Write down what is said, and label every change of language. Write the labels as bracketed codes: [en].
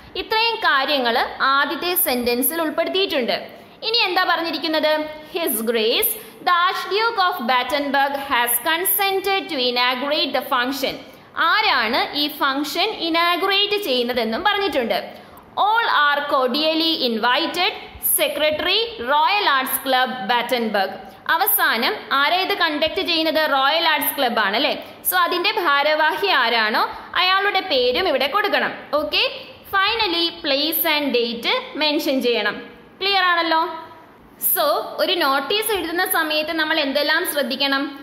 [ml] ഇത്രയും കാര്യങ്ങൾ ആദ്യത്തെ സെന്റൻസിൽ ഉൾപ്പെടുത്തിയിട്ടുണ്ട്. ഇനി എന്താ പറഞ്ഞിരിക്കുന്നത്? [en] His grace the archduke of Battenberg has consented to inaugurate the function. [ml] ആരാണ് ഈ ഫംഗ്ഷൻ ഇനാഗുറേറ്റ് ചെയ്യുന്നതെന്നും പറഞ്ഞിട്ടുണ്ട്. [en] All are cordially invited, Secretary, Royal Arts Club, Battenberg. [ml] അവസാനം ആരാ ഇത് കണ്ടക്ട് ചെയ്യുന്നത്? റോയൽ ആർട്സ് ക്ലബ് ആണ് അല്ലേ. സോ അതിന്റെ ഭാരവാഹി ആരാണോ അയാളുടെ പേരും ഇവിടെ കൊടുക്കണം. Okay, finally place and date mention ചെയ്യണം. ക്ലിയർ ആണല്ലോ. സോ ഒരു നോട്ടീസ് എഴുതുന്ന സമയത്ത് നമ്മൾ എന്തെല്ലാം ശ്രദ്ധിക്കണം?